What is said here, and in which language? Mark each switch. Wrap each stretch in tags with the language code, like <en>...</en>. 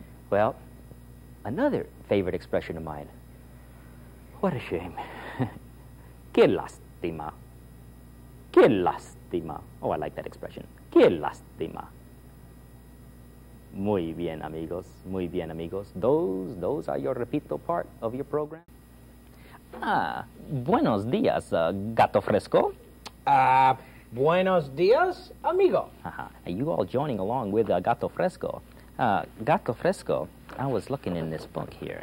<en>Well, another favorite expression of mine. What a shame.</en> <es>Qué lástima. Qué lástima.</es> <en>Oh, I like that expression.</en> <es>Qué lástima. Muy bien, amigos. Muy bien, amigos.</es> <en>Those are your repito part of your program.</en> <es>Buenos días, gato fresco. Buenos días, amigo.</es> <en>Are you all joining along with Gato Fresco? Gato Fresco, I was looking in this book here.</en>